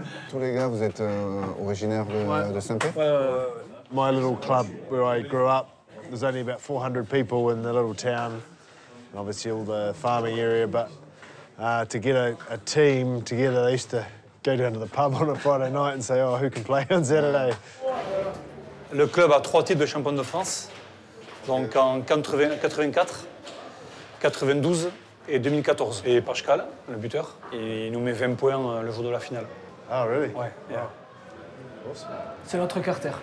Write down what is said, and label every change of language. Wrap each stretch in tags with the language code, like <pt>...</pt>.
<fr>Tous les gars, vous êtes originaires de Saint-Pierre?</fr> <en>My little club where I grew up, there's only about 400 people in the little town, and obviously all the farming area, but to get a team together, they used to go down to the pub on a Friday night and say, oh, who can play on Saturday?</en> <fr>Le club a 3 titres de champion de France, donc en 84, 92, et 2014. Et Pascal, le buteur, il nous met 20 points le jour de la finale.</fr> <en>Ah, really?</en> <fr>Ouais.</fr> <en>Wow. course.</en> <fr>C'est notre carter.</fr>